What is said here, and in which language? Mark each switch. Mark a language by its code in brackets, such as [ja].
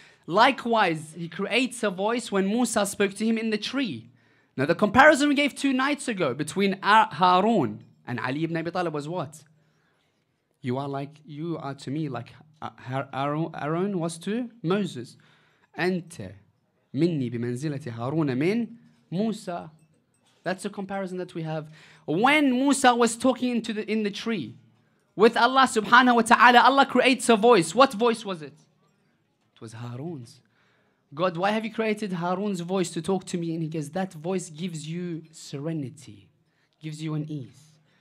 [en] Likewise, he creates a voice when Musa spoke to him in the tree. Now, the comparison we gave two nights ago between Harun and Ali ibn Abi Talib was what? You are to me like Aaron was to Moses. [ar] Anta. مني بمنزلة هارون من موسى. [en] That's a comparison that we have. When Musa was talking in the tree with Allah subhanahu wa ta'ala, Allah creates a voice. What voice was it? It was Harun's. God, why have you created Harun's voice to talk to me? And he goes, that voice gives you serenity, gives you an ease.